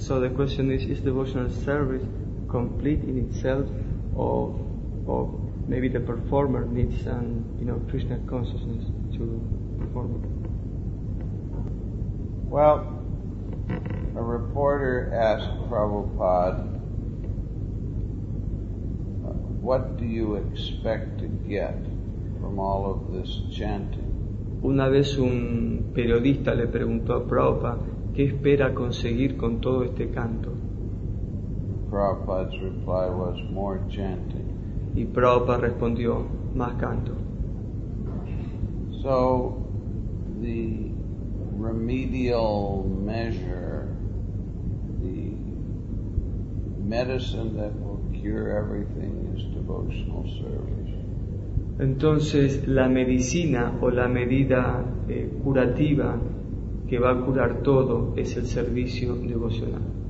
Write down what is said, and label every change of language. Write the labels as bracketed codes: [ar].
[en] So the question is devotional service complete in itself, or maybe the performer needs some, you know, Krishna consciousness to perform it? Well, a reporter asked Prabhupada, what do you expect to get from all of this chanting? [es] Una vez un periodista le preguntó a Prabhupada, ¿qué espera conseguir con todo este canto? [en] Prabhupada's reply was more chanting. [es] Y Prabhupada respondió, más canto. [en] So the remedial measure, the medicine that will cure everything is devotional service. [es] Entonces la medicina o la medida curativa que va a curar todo es el servicio devocional.